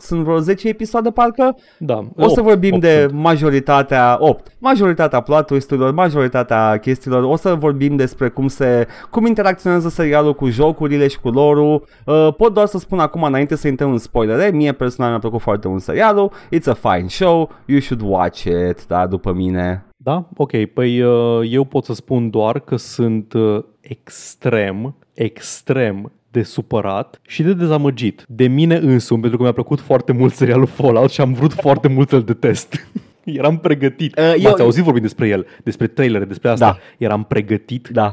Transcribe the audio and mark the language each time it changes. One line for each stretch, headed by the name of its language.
Romanian: Sunt vreo 10 episoade, parcă? Da. O să vorbim 8. De majoritatea, 8, majoritatea plot twist-urilor, majoritatea chestiilor. O să vorbim despre cum interacționează serialul cu jocurile și cu lore-ul. Pot doar să spun acum, înainte să intrăm în spoilere, mie personal mi-a plăcut foarte mult serialul.
English: It's a fine show, you should watch it, da,
Romanian: după mine. Da? Ok, păi eu pot să spun doar că sunt extrem, extrem de supărat și de dezamăgit de mine însumi, pentru că mi-a plăcut foarte mult serialul Fallout și am vrut foarte mult să-l detest. Eram pregătit. M-ați auzit vorbind despre el, despre trailere, despre asta. Da. Eram pregătit da.